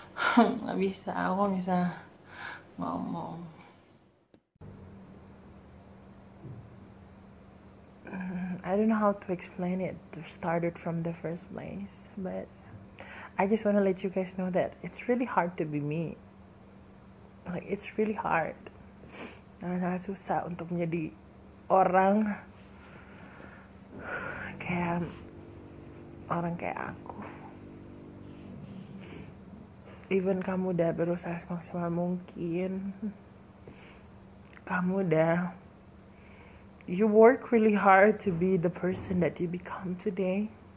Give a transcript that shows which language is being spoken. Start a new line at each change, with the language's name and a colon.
Indonesian: Gak bisa, aku bisa ngomong.
English: I don't know how to explain it. Started from the first place, but I just want to let you guys know that it's really hard to be me. Like, it's really hard.
Indonesian: Nah, susah untuk menjadi orang kayak aku.
English: Even
Indonesian: kamu udah berusaha semaksimal mungkin, kamu udah,
English: you work really hard to be the person that you become today.